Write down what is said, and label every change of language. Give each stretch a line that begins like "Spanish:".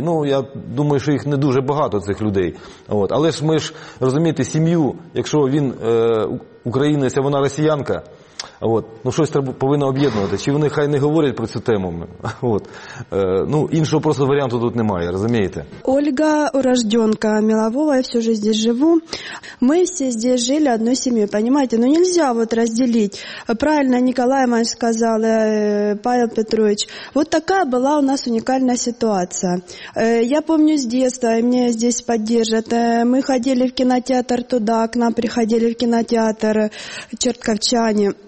Ukrainian: Ну, я думаю, що їх не дуже багато, цих людей. От. Але ж ми ж, розумієте, сім'ю, якщо він українець, а вона росіянка, от, ну, щось треба, повинно об'єднувати. Чи вони хай не говорять про цю тему. От. Ну, іншого просто варіанту тут немає, розумієте?
Russian: Ольга урожденка Мелового, я всю жизнь здесь живу.
Ukrainian: Ми всі здесь жили одною сім'єю, понимаете?
Russian: Ну, нельзя вот разделить. Правильно Николай Иванович сказал, Павел Петрович. Вот такая была у нас уникальная ситуация. Я помню с детства, и меня здесь поддержат. Мы ходили в кинотеатр туда, к нам приходили в кинотеатр чертковчане.